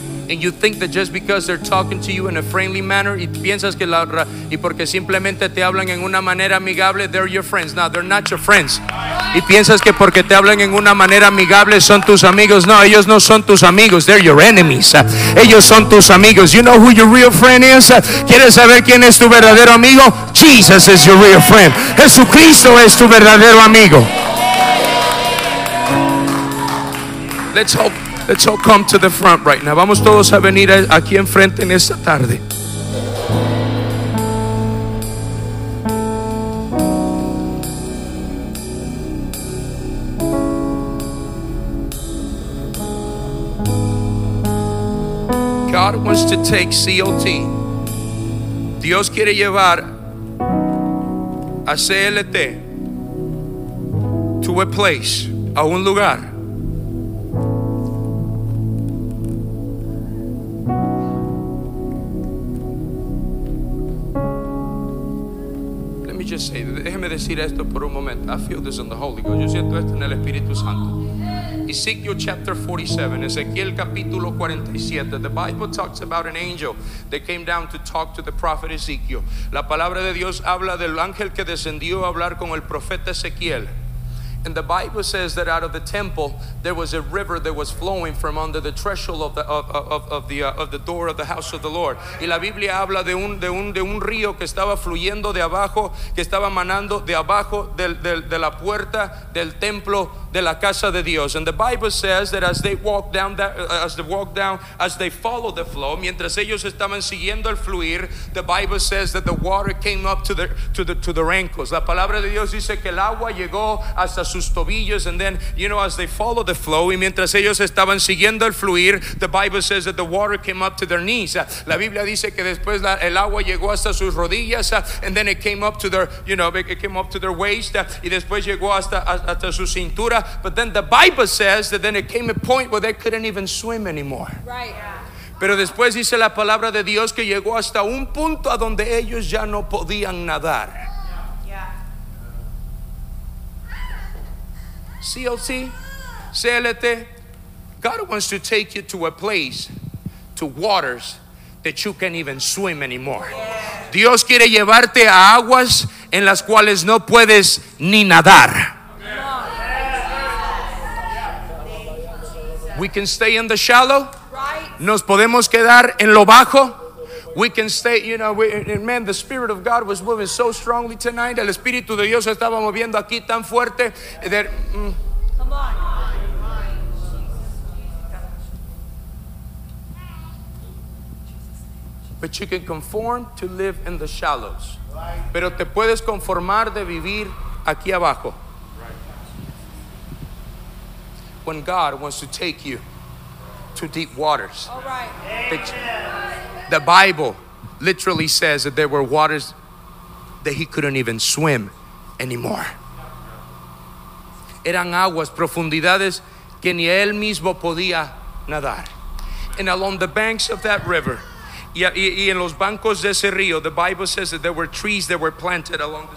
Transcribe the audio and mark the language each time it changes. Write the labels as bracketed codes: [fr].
[en] And you think that just because they're talking to you in a friendly manner, [es] y piensas que la, y porque simplemente te hablan en una manera amigable, [en] they're your friends. No, they're not your friends. [es] Y piensas que porque te hablan en una manera amigable son tus amigos. No, ellos no son tus amigos. [en] They're your enemies. [es] Ellos son tus amigos. [en] You know who your real friend is? [es] ¿Quieres saber quién es tu verdadero amigo? [en] Jesus is your real friend. [es] Jesucristo es tu verdadero amigo. [en] Let's all come to the front right now. [es] Vamos todos a venir aquí enfrente en esta tarde. [en] God wants to take CLT. [es] Dios quiere llevar a CLT [en] to a place, [es] a un lugar. Déjeme decir esto por un momento. [en] I feel this in the Holy Ghost. [es] Yo siento esto en el Espíritu Santo. [en] Ezekiel chapter 47, [es] Ezequiel capítulo 47. [en] The Bible talks about an angel that came down to talk to the prophet Ezekiel. [es] La palabra de Dios habla del ángel que descendió a hablar con el profeta Ezequiel. [en] And the Bible says that out of the temple there was a river that was flowing from under the threshold of the door of the house of the Lord. [es] Y la Biblia habla de un río que estaba fluyendo de abajo, que estaba manando de abajo de la puerta del templo de la casa de Dios. [en] And the Bible says that as they followed the flow, [es] mientras ellos estaban siguiendo el fluir, [en] the Bible says that the water came up to their ankles. [es] La palabra de Dios dice que el agua llegó hasta sus tobillos. [en] And then, you know, as they followed the flow, [es] y mientras ellos estaban siguiendo el fluir, [en] the Bible says that the water came up to their knees. [es] La Biblia dice que después el agua llegó hasta sus rodillas. [en] And then it came up to their, you know, it came up to their waist. [es] Y después llegó hasta su cintura. [en] But then the Bible says that then it came a point where they couldn't even swim anymore. Right. [es] Pero después dice la palabra de Dios que llegó hasta un punto a donde ellos ya no podían nadar. [en] CLT, CLT, God wants to take you to a place, to waters that you can't even swim anymore. [es] Dios quiere llevarte a aguas en las cuales no puedes ni nadar. [en] We can stay in the shallow. [es] Nos podemos quedar en lo bajo. [en] We can stay, you know, man, the Spirit of God was moving so strongly tonight. [es] El Espíritu de Dios estaba moviendo aquí tan fuerte. [en] That, But you can conform to live in the shallows. [es] Pero te puedes conformar de vivir aquí abajo. [en] When God wants to take you to deep waters. All right. The Bible literally says that there were waters that he couldn't even swim anymore. [es] Eran aguas, profundidades que ni él mismo podía nadar. [en] And along the banks of that river, [es] y en los bancos de ese río, [en] the Bible says that there were trees that were planted along the